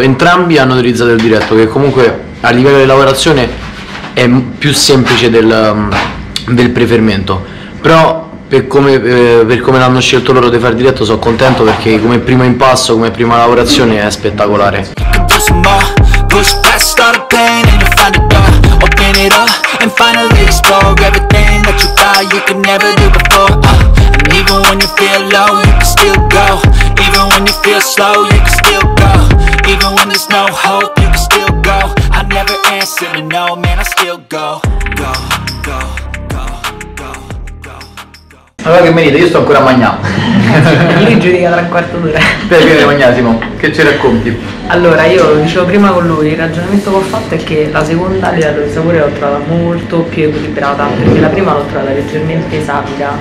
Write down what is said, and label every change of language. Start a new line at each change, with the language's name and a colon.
Italian: Entrambi hanno utilizzato il diretto, che comunque a livello di lavorazione è più semplice del prefermento. Però per come l'hanno scelto loro di fare diretto, sono contento, perché come primo impasto, come prima lavorazione è spettacolare.
English: Push past, start a plan and you'll find a door. Open it up and finally explore everything that you thought you could never do before. And even when you feel low, you can still go. Even when you feel slow, you can still go. Even when there's no hope, you can still go. I never answer to no, man, I still go. Go, go, go, go, go, go.
Italian: Allora, che mi dite? Io sto ancora a mangiare. Io giudico tra un quarto d'ora. Perché devi mangiare, Simo? Che ci racconti? Allora, io lo dicevo prima con lui, il ragionamento che ho fatto è che la seconda a livello di sapore l'ho trovata molto più equilibrata, perché la prima l'ho trovata leggermente sapida.